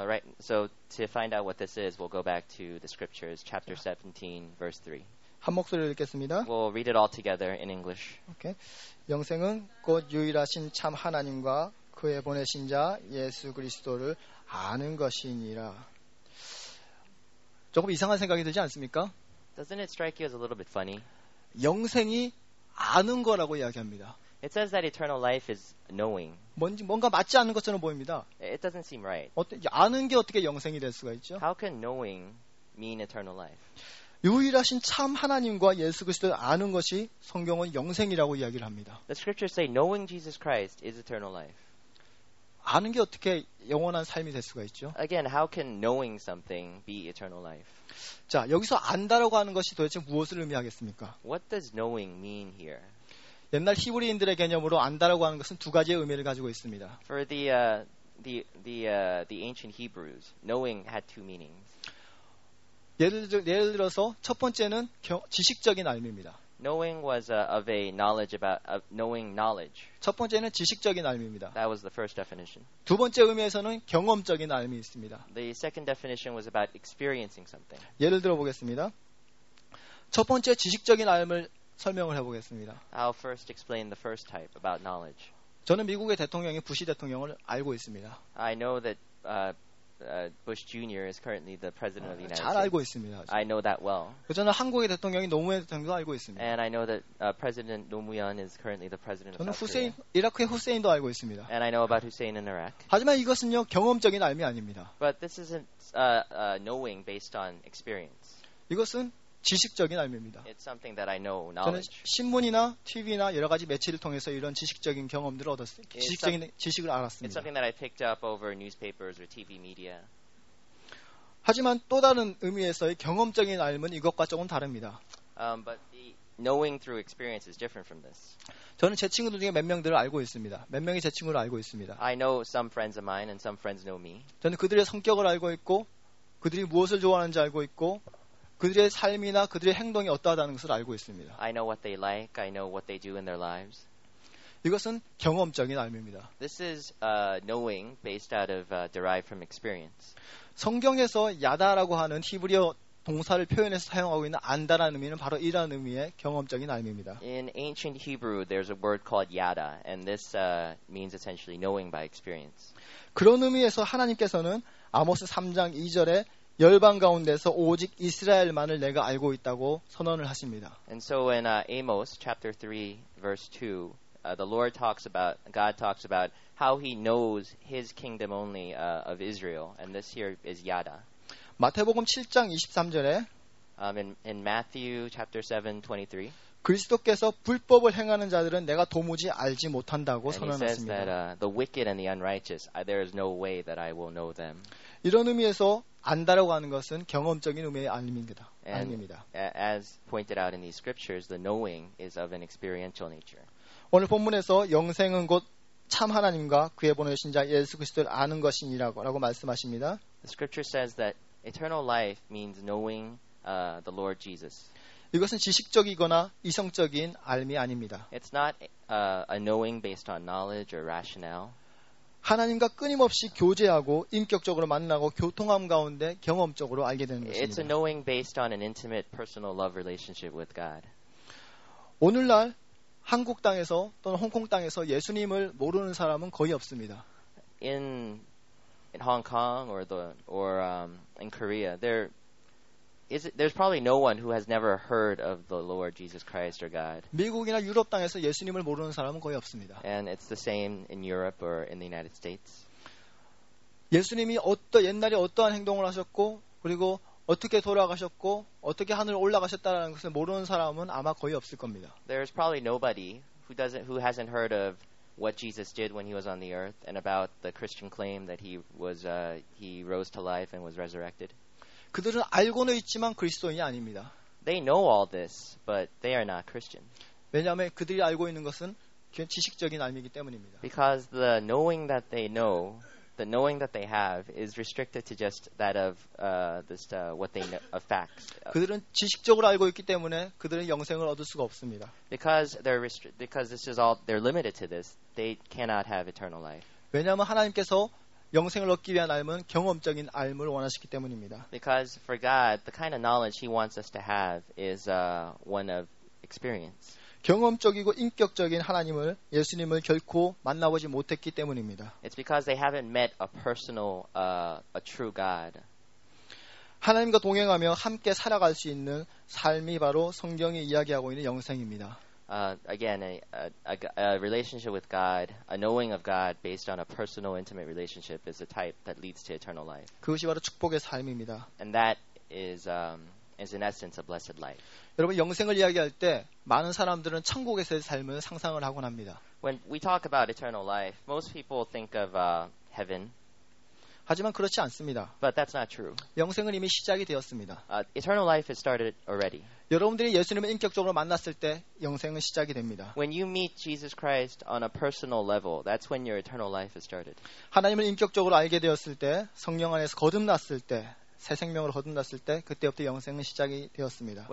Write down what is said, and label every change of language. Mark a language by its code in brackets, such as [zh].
[en] Right. So to find out what this is, we'll go back to the scriptures chapter 17 verse 3. [ko] 한 목소리로 읽겠습니다. [en] We'll read it all together in English. Okay. [ko] 영생은 곧 유일하신 참 하나님과 그의 보내신 자 예수 그리스도를 아는 것이니라. 조금 이상한 생각이 들지 않습니까? [en] Doesn't it strike you as a little bit funny? [ko] 영생이 아는 거라고 이야기합니다. [en] It says that eternal life is knowing. [ko] 뭔가 맞지 않는 것처럼 보입니다. [en] It doesn't seem right. [ko] 아는 게 어떻게 영생이 될 수가 있죠? [en] How can knowing mean eternal life? [ko] 유일하신 참 하나님과 예수 그리스도를 아는 것이 성경은 영생이라고 이야기를 합니다. [en] The scriptures say knowing Jesus Christ is eternal life. [ko] 아는 게 어떻게 영원한 삶이 될 수가 있죠? [en] Again, how can knowing something be eternal life? [ko] 자, 여기서 안다라고 하는 것이 도대체 무엇을 의미하겠습니까? [en] What does knowing mean here? [ko] 옛날 히브리인들의 개념으로 안다라고 하는 것은 두 가지의 의미를 가지고 있습니다. [en] For the ancient Hebrews, knowing had two meanings. [ko] 예를 들어서 첫 번째는 지식적인 알미입니다. [en] Knowing was of a knowledge about knowing knowledge. [ko] 첫 번째는 지식적인 알미입니다. [en] That was the first definition. [ko] 두 번째 의미에서는 경험적인 알미 있습니다. [en] The second definition was about experiencing something. [ko] 예를 들어 보겠습니다. 첫 번째 지식적인 알미를 설명을 해 보겠습니다. [en] I'll first explain the first type about knowledge. [ko] 저는 미국의 대통령인 부시 대통령을 알고 있습니다. [en] I know that Bush Jr. is currently the president of the United States. [ko] 잘 알고 있습니다. 저. [en] I know that well. [ko] 저는 한국의 대통령이 노무현 대통령도 알고 있습니다. [en] And I know that President 노무현 is currently the president of South Korea. [ko] 저는 후세인 이라크의 후세인도 알고 있습니다. [en] And I know about Hussein in Iraq. [ko] 하지만 이것은요 경험적인 알미 아닙니다. [en] But this isn't knowing based on experience. [ko] 이것은 지식적인 알미입니다. [en] It's something that I know, knowledge. [ko] 저는 신문이나 TV나 여러 가지 매체를 통해서 이런 지식적인 경험들을 얻었습니다. 지식적인 지식을 알았습니다. [en] It's something that I picked up over newspapers or TV media. [ko] 하지만 또 다른 의미에서의 경험적인 알미는 이것과 조금 다릅니다. [en] But the knowing through experience is different from this. [ko] 저는 제 친구들 중에 몇 명들을 알고 있습니다. 몇 명이 제 친구를 알고 있습니다. [en] I know some friends of mine and some friends know me. [ko] 저는 그들의 성격을 알고 있고 그들이 무엇을 좋아하는지 알고 있고 그들의 삶이나 그들의 행동이 어떠하다는 것을 알고 있습니다. [en] I know what they like. I know what they do in their lives. [ko] 이것은 경험적인 알미입니다. [en] This is knowing based out of derived from experience. [ko] 성경에서 야다라고 하는 히브리어 동사를 표현해서 사용하고 있는 안다라는 의미는 바로 이런 의미의 경험적인 알미입니다. [en] In ancient Hebrew, there's a word called yada, and this means essentially knowing by experience. [ko] 그런 의미에서 하나님께서는 아모스 3장 2절에 열방 가운데서 오직 이스라엘만을 내가 알고 있다고 선언을 하십니다. [en] And so in Amos chapter 3 verse 2, the Lord talks about God talks about how he knows his kingdom only of Israel and this here is Yada. [ko] 마태복음 7장 23절에 [en] in Matthew chapter 7 23 [ko] 그리스도께서 불법을 행하는 자들은 내가 도무지 알지 못한다고 선언하십니다. [en] And he says that the wicked and the unrighteous there is no way that I will know them. [ko] 이런 의미에서 안다라고 하는 것은 경험적인 의미의 알미입니다. [en] And as pointed out in these scriptures, the knowing is of an experiential nature. [ko] 오늘 본문에서 영생은 곧 참 하나님과 그의 보내신 자 예수 그리스도를 아는 것이니라고 말씀하십니다. [en] The scripture says that eternal life means knowing the Lord Jesus. [ko] 이것은 지식적이거나 이성적인 알미 아닙니다. [en] It's not a knowing based on knowledge or rationale. [ko] 하나님과 끊임없이 교제하고 인격적으로 만나고 교통함 가운데 경험적으로 알게 되는 것입니다. [en] It's a knowing based on an intimate personal love relationship with God. [ko] 오늘날 한국 땅에서 또는 홍콩 땅에서 예수님을 모르는 사람은 거의 없습니다. [en] In Hong Kong or in Korea, there's probably no one who has never heard of the Lord Jesus Christ or God. [ko] 미국이나 유럽 땅에서 예수님을 모르는 사람은 거의 없습니다. [en] And it's the same in Europe or in the United States. [ko] 예수님이 옛날에 어떠한 행동을 하셨고 그리고 어떻게 돌아가셨고 어떻게 하늘에 올라가셨다라는 것을 모르는 사람은 아마 거의 없을 겁니다. [en] There's probably nobody who hasn't heard of what Jesus did when he was on the earth and about the Christian claim that he was he rose to life and was resurrected. [ko] 그들은 알고는 있지만 그리스도인이 아닙니다. [en] They know all this, but they are not Christian. [ko] 왜냐하면 그들이 알고 있는 것은 지식적인 알미이기 때문입니다. [en] Because the knowing that they know, the knowing that they have, is restricted to just that of what they know, of facts. [ko] 그들은 지식적으로 알고 있기 때문에 그들은 영생을 얻을 수가 없습니다. [en] Because this is all they're limited to this, they cannot have eternal life. [ko] 왜냐하면 하나님께서 영생을 얻기 위한 알은 경험적인 알을 원하시기 때문입니다. [en] Because for God, the kind of knowledge He wants us to have is one of experience. [ko] 경험적이고 인격적인 하나님을 예수님을 결코 만나보지 못했기 때문입니다. [en] It's because they haven't met a personal, a true God. [ko] 하나님과 동행하며 함께 살아갈 수 있는 삶이 바로 성경이 이야기하고 있는 영생입니다. [en] Again, a relationship with God, a knowing of God based on a personal, intimate relationship is a type that leads to eternal life. [ko] 그것이 바로 축복의 삶입니다. [en] And that is is in essence a blessed life. [ko] 여러분 영생을 이야기할 때 많은 사람들은 천국에서의 삶을 상상을 하곤 합니다. [en] When we talk about eternal life, most people think of heaven. [ko] 하지만 그렇지 않습니다. [en] But that's not true. [ko] 영생은 이미 시작이 되었습니다. [en] Eternal life has started already. [ko] 여러분들이 예수님을 인격적으로 만났을 때 영생은 시작이 됩니다. [en] When you meet Jesus Christ on a personal level, that's when your eternal life has started. [ko] 하나님을 인격적으로 알게 되었을 때, 성령 안에서 거듭났을 때, 새 생명으로 거듭났을 때, 그때부터 영생은 시작이 되었습니다.